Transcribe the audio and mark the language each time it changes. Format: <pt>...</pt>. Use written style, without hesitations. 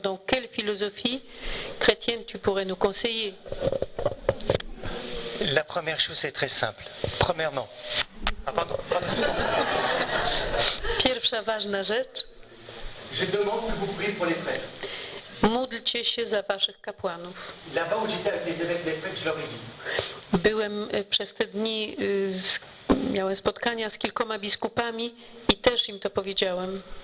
<fr>Donc quelle philosophie chrétienne tu pourrais nous conseiller? La première chose est très simple. Premièrement.</fr> <pl>Pierwsza ważna rzecz.</pl> <fr>Je demande que vous priez pour les prêtres.</fr> <pl>Módlcie się za waszych kapłanów.</pl> <fr>Là-bas, où j'étais avec les évêques, les prêtres, je leur ai dit.</fr> <pl>Byłem przez te dni, miałem spotkania z kilkoma biskupami i też im to powiedziałem.</pl>